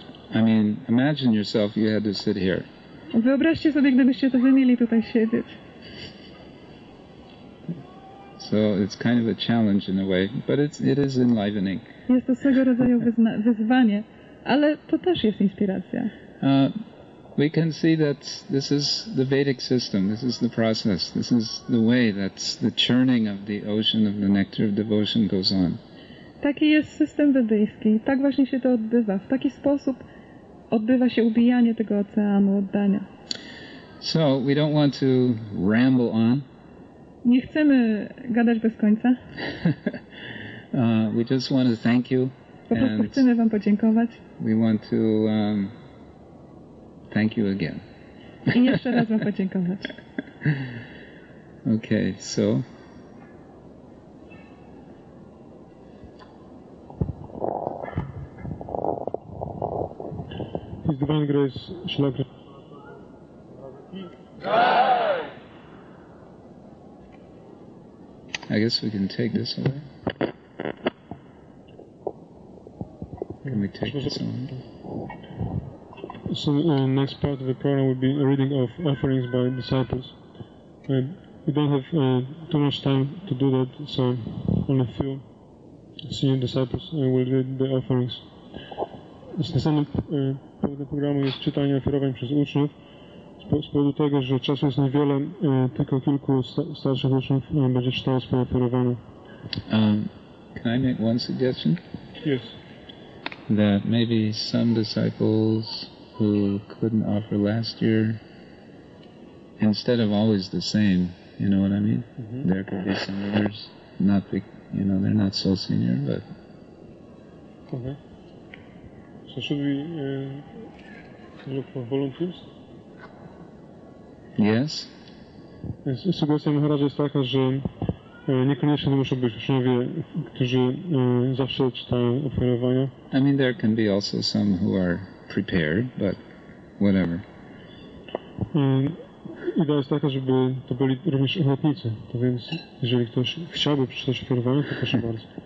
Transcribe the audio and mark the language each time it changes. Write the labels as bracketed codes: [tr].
[en] I mean, imagine yourself you had to sit here. [pl] Wyobraźcie sobie, gdybyście to wy mieli tutaj siedzieć. [en] So it's kind of a challenge in a way, but it is enlivening. [pl] Jest to swego rodzaju wyzwanie, ale to też jest inspiracja. [en] We can see that this is the Vedic system, this is the process, this is the way that the churning of the ocean of the nectar of devotion goes on. [pl] Taki jest system wedyjski, tak właśnie się to odbywa. W taki sposób odbywa się ubijanie tego oceanu oddania. [en] So we don't want to ramble on. [pl] Nie chcemy gadać bez końca. [en] We just want to thank you. [pl] Po prostu chcemy wam podziękować. [en] We want to thank you again. [pl] I jeszcze raz wam podziękować. [en] Okay, so His Divine Grace Srila Prabhupada. I guess we can take this away. Can we take this away? So the next part of the program would be a reading of offerings by disciples. We don't have too much time to do that, so only a few senior disciples will read the offerings. [pl] Następnym punktem programu jest czytanie ofiarowań przez uczniów. Z powodu tego, że czasu jest niewiele, tylko kilku starszych uczniów będzie czytało swoje ofiarowanie. [en] Can I make one suggestion? Yes. That maybe some disciples who couldn't offer last year, instead of always the same, you know what I mean? Mm-hmm. There could be some others, not big, you know, they're not so senior, but... Okay. So should we look for volunteers? Yes. [pl] Sugestia Maharaja jest taka, że niekoniecznie to muszą być uczniowie, którzy zawsze czytają ofiarowania. [en] I mean, there can be also some who are prepared, but... whatever. [pl] idea jest taka, żeby to byli również ochotnicy. To więc, jeżeli ktoś chciałby przeczytać ofiarowanie, to proszę bardzo.